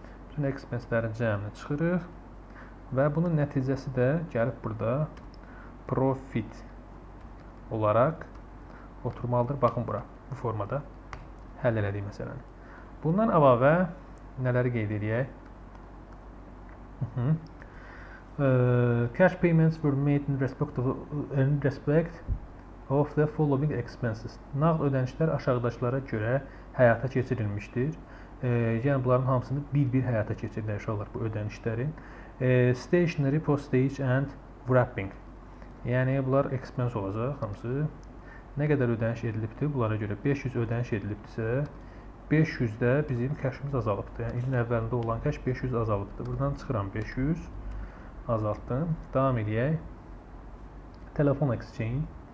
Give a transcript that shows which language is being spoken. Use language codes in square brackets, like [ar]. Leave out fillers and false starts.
[az] Bütün expense-lərin cəmini çıxırıq. Və bunun nəticəsi də gəlib burada profit olaraq oturmalıdır. Baxın bura, bu formada həll elədiyi məsələn. Bundan əlavə nələri qeyd edirək? [en] Cash payments were made in respect of, of the following expenses. [az] Nağd ödənişlər aşağıdakılara görə həyata keçirilmişdir. Yəni, bunların hamısını bir-bir həyata keçirilmiş olar bu ödənişlərin. [en] Stationery, postage and wrapping. [az] Yəni, bunlar expense olacaq hamısı. Nə qədər ödəniş edilibdir? Bunlara görə 500 ödəniş edilibdirsə, 500-də bizim cash-imiz azalıbdır. Yəni, ilin əvvəlində olan cash 500 azalıbdır. Buradan çıxıram 500. Azaltdım. Davam edək. Telefon exchange.